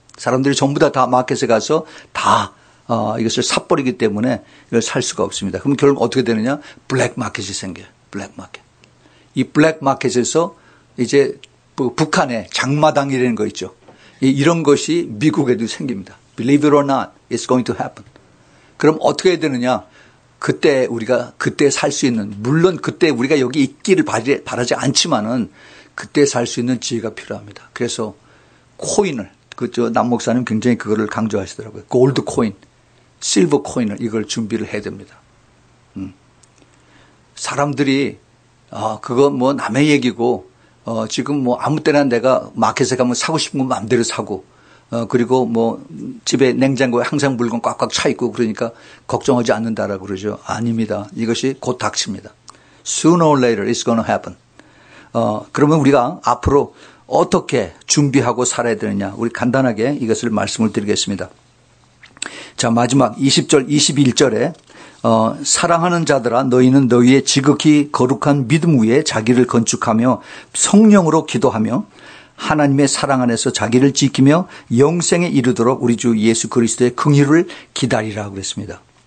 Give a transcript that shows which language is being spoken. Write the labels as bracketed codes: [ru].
[ko] 사람들이 전부 다 마켓에 가서 다 이것을 사버리기 때문에 이걸 살 수가 없습니다. 그럼 결국 어떻게 되느냐? 블랙 마켓이 생겨요. 블랙 마켓. 이 블랙 마켓에서 이제 북한의 장마당이라는 거 있죠. 이런 것이 미국에도 생깁니다. [en] Believe it or not, it's going to happen. [ko] 그럼 어떻게 해야 되느냐? 그때 살 수 있는, 물론 그때 우리가 여기 있기를 바라지 않지만은 그때 살 수 있는 지혜가 필요합니다. 그래서 코인을, 남 목사님 굉장히 그거를 강조하시더라고요. 골드 코인, 실버 코인을 이걸 준비를 해야 됩니다. 사람들이, 그거 뭐 남의 얘기고, 지금 뭐 아무 때나 내가 마켓에 가면 사고 싶은 거 마음대로 사고, 그리고 뭐 집에 냉장고에 항상 물건 꽉꽉 차 있고 그러니까 걱정하지 않는다라고 그러죠. 아닙니다. 이것이 곧 닥칩니다. [en] Sooner or later it's going to happen. [ko] 그러면 우리가 앞으로 어떻게 준비하고 살아야 되느냐. 우리 간단하게 이것을 말씀을 드리겠습니다. 자, 마지막 20절, 21절에 사랑하는 자들아 너희는 너희의 지극히 거룩한 믿음 위에 자기를 건축하며 성령으로 기도하며 하나님의 사랑 안에서 자기를 지키며 영생에 이르도록 우리 주 예수 그리스도의 긍휼을 기다리라 그랬습니다.